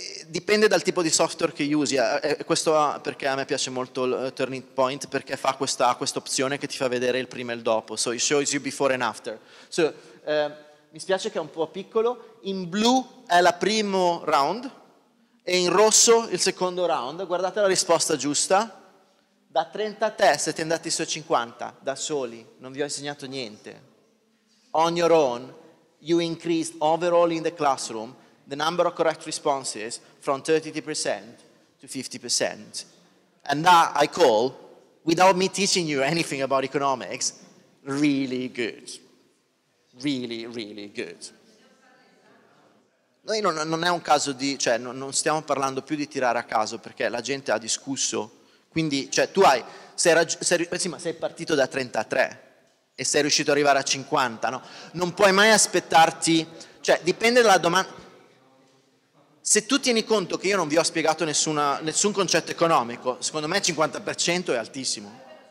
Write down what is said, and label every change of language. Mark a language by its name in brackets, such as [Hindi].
[Italian] Dipende dal tipo di software che usi, questo perché a me piace molto il Turning Point, perché fa questa opzione che ti fa vedere il prima e il dopo, [English] so it shows you before and after. [Italian] So, mi spiace che è un po' piccolo, in blu è la primo round e in rosso il secondo round. Guardate la risposta giusta, da 30 a te siete andati su 50, da soli, non vi ho insegnato niente. [English] On your own, you increased overall in the classroom the number of correct responses from 33% to 50%. And that I call, without me teaching you anything about economics, really good. Really, really good. [Italian] Noi non è un caso di, cioè non stiamo parlando più di tirare a caso, perché la gente ha discusso. Quindi, cioè, tu hai, sei partito da 33 e sei riuscito ad arrivare a 50, no? Non puoi mai aspettarti, cioè dipende dalla domanda. Se tu tieni conto che io non vi ho spiegato nessun concetto economico, secondo me 50% è altissimo.